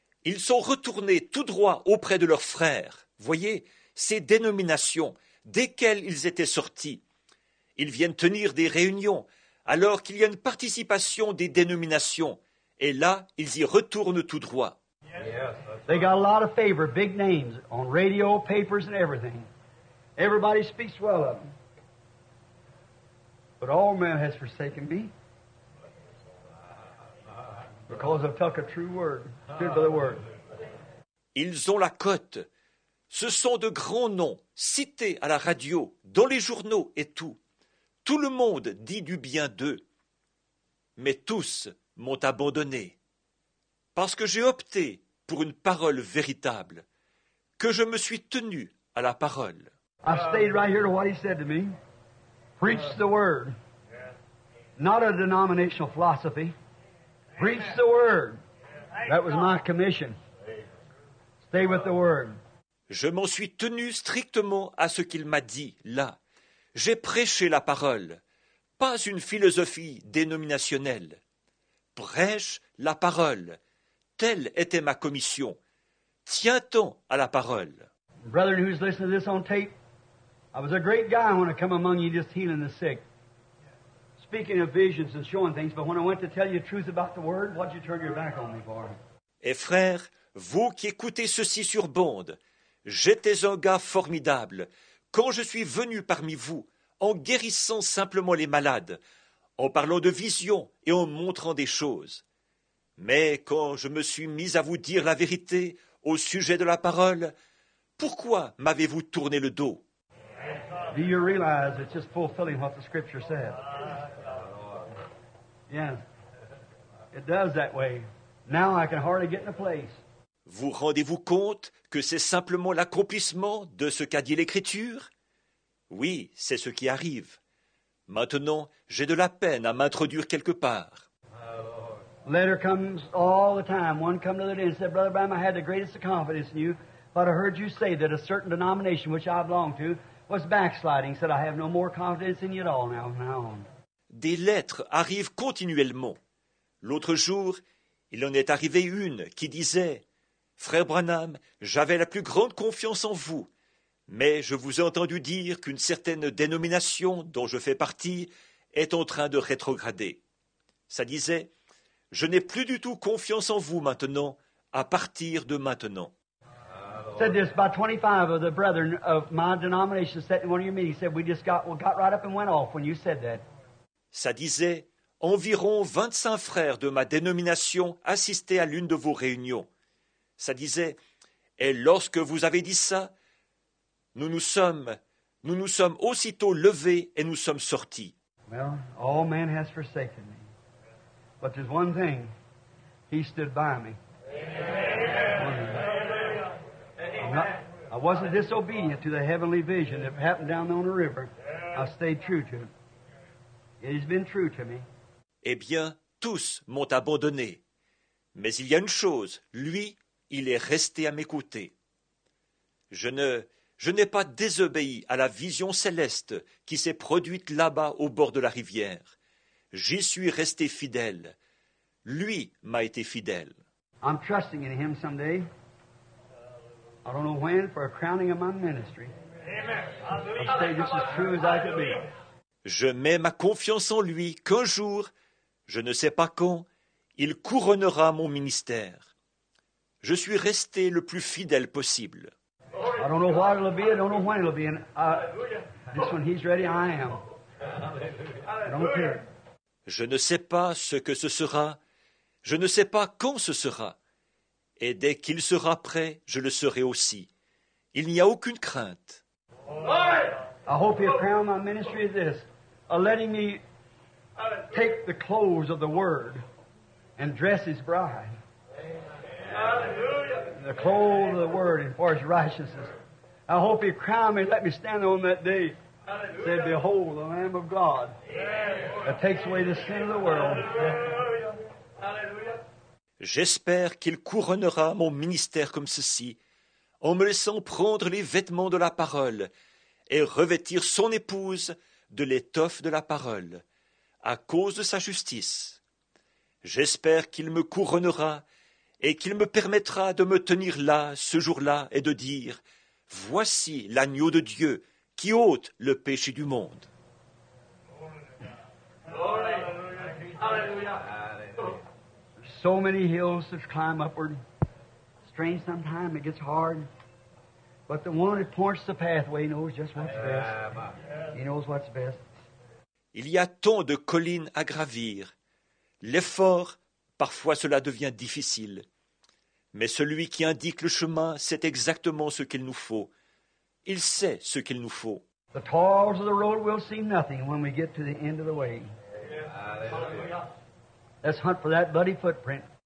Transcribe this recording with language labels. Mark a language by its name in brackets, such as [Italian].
[French] Ils sont retournés tout droit auprès de leurs frères. Voyez, ces dénominations, desquelles ils étaient sortis. Ils viennent tenir des réunions, alors qu'il y a une participation des dénominations. Et là, ils y retournent tout droit. [English] They got a lot of favor, big names, on radio, papers and everything. Everybody speaks well of them. But all men has forsaken me. Because I've talked a true word, stood by the word. [French] Ils ont la cote. Ce sont de grands noms, cités à la radio, dans les journaux et tout. Tout le monde dit du bien d'eux. Mais tous m'ont abandonné. Parce que j'ai opté pour une parole véritable, que je me suis tenu à la parole. [English] I stayed right here to what he said to me. Preach the word. Not a denominational philosophy. Preach the word. That was my commission. Stay with the word. [French] Je m'en suis tenu strictement à ce qu'il m'a dit là. J'ai prêché la parole, pas une philosophie dénominationnelle. Prêche la parole. Telle était ma commission. Tiens-t'en à la parole. [English] Brother who's listening to this on tape, I was a great guy when I come among you just healing the sick. Speaking of visions and showing things, but when I went to tell you the truth about the word, what'd you turn your back on me for? [French] Et frère, vous qui écoutez ceci sur bande, j'étais un gars formidable. Quand je suis venu parmi vous, en guérissant simplement les malades, en parlant de visions et en montrant des choses. Mais quand je me suis mis à vous dire la vérité au sujet de la parole, pourquoi m'avez-vous tourné le dos? [English] Do you realize it's just fulfilling what the scripture said? Yes, it does that way. Now I can hardly get in a place. [French] Vous rendez-vous compte que c'est simplement l'accomplissement de ce qu'a dit l'Écriture? Oui, c'est ce qui arrive. Maintenant, j'ai de la peine à m'introduire quelque part. [English] Letter comes all the time. One come to the day and said, Brother Bram, I had the greatest of confidence in you, but I heard you say that a certain denomination which I belong to was backsliding. Said, I have no more confidence in you at all now. [French] Des lettres arrivent continuellement. L'autre jour, il en est arrivé une qui disait, Frère Branham, j'avais la plus grande confiance en vous, mais je vous ai entendu dire qu'une certaine dénomination dont je fais partie est en train de rétrograder. Ça disait, je n'ai plus du tout confiance en vous maintenant, à partir de maintenant. [English] Said this about 25 of the brethren of my denomination sat in one of your meetings. Said we just got right up and went off when you said that. [French] Ça disait, environ 25 frères de ma dénomination assistaient à l'une de vos réunions. Ça disait, et lorsque vous avez dit ça, nous nous sommes aussitôt levés et nous sommes sortis. [English] Well, all man has forsaken me. But there's one thing, he stood by me. Amen. I wasn't disobedient to the heavenly vision that happened down on the river. I stayed true to him. It has been true to me. [French] Eh bien, tous m'ont abandonné. Mais il y a une chose, lui, il est resté à mes côtés. Je n'ai pas désobéi à la vision céleste qui s'est produite là-bas au bord de la rivière. J'y suis resté fidèle. Lui m'a été fidèle. [English] I'm trusting in him someday. I don't know when, for a crowning of my ministry. Amen. I'll say this as true as I can be. [French] Je mets ma confiance en lui qu'un jour, je ne sais pas quand, il couronnera mon ministère. Je suis resté le plus fidèle possible. [English] I don't know what it'll be, I don't know when it'll be. This one, he's ready, I am. I don't care. [French] Je ne sais pas ce que ce sera, je ne sais pas quand ce sera. Et dès qu'il sera prêt, je le serai aussi. Il n'y a aucune crainte. [English] I hope he'll crown my ministry with this, letting me take the clothes of the word and dress his bride. Hallelujah. The clothes of the word and for his righteousness. I hope he'll crown me and let me stand on that day. Hallelujah. Say, behold, the Lamb of God that takes away the sin of the world. [French] J'espère qu'il couronnera mon ministère comme ceci, en me laissant prendre les vêtements de la parole et revêtir son épouse de l'étoffe de la parole, à cause de sa justice. J'espère qu'il me couronnera et qu'il me permettra de me tenir là ce jour-là et de dire, voici l'agneau de Dieu qui ôte le péché du monde. [English] So many hills to climb upward. Strange sometimes, it gets hard. But the one who points the pathway knows just what's best. He knows what's best. [French] Il y a tant de collines à gravir. L'effort, parfois cela devient difficile. Mais celui qui indique le chemin sait exactement ce qu'il nous faut. Il sait ce qu'il nous faut. [English] The toils of the road will seem nothing when we get to the end of the way. Let's hunt for that bloody footprint.